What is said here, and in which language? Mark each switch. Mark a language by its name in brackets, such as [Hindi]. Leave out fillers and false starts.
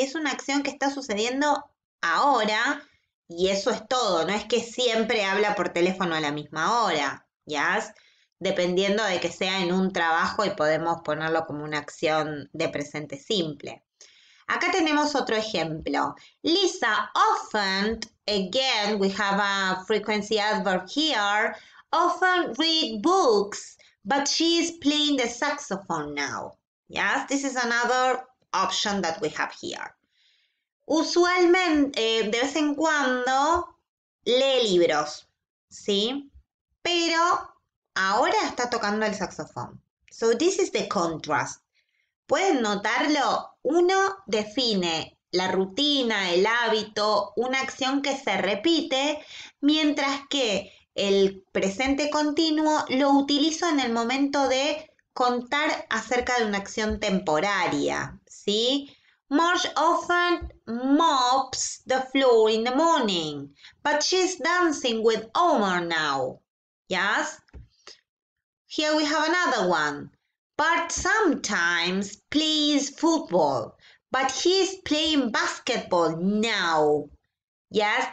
[Spanish] Es una acción que está sucediendo ahora. Y eso es todo, no es que siempre habla por teléfono a la misma hora, ¿ya? Dependiendo de que sea en un trabajo y podemos ponerlo como una acción de presente simple. Acá tenemos otro ejemplo. [English] Lisa, often, again, we have a frequency adverb here, often read books, but she is playing the saxophone now. ¿Ya? This is another option that we have here. [Spanish] Usualmente, de vez en cuando, lee libros, ¿sí? Pero ahora está tocando el saxofón. [English] So this is the contrast. [Spanish] ¿Pueden notarlo? Uno define la rutina, el hábito, una acción que se repite, mientras que el presente continuo lo utilizo en el momento de contar acerca de una acción temporaria, ¿sí? [English] Marge often mops the floor in the morning, but she's dancing with Homer now. ¿Yes? Here we have another one. Bart sometimes plays football, but he's playing basketball now. ¿Yes?